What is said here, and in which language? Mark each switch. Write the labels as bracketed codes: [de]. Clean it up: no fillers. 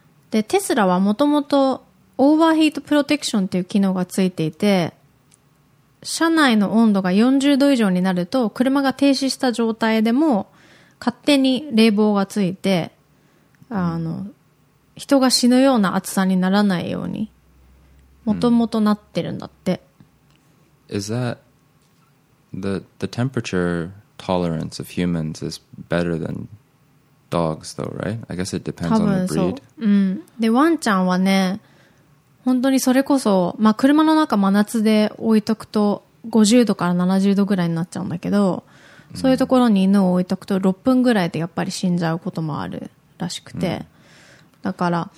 [ja] で、テスラはもともとオーバーヒートプロテクションっていう機能がついていて、車内の温度が40度以上になると車が停止した状態でも勝手に冷房がついて、人が死ぬような暑さにならないようにもともとなってるんだって。 [en] Is that the temperature tolerance of humans is better than dogs though, right? I guess it depends on the breed. [ja] 多分そう。うん。で、ワンちゃんはね、本当にそれこそ、まあ、車の中真夏で置いとくと50度から70度ぐらいになっちゃうんだけど、そういうところに犬を置いとくと6分ぐらいでやっぱり死んじゃうこともあるらしくて、だから、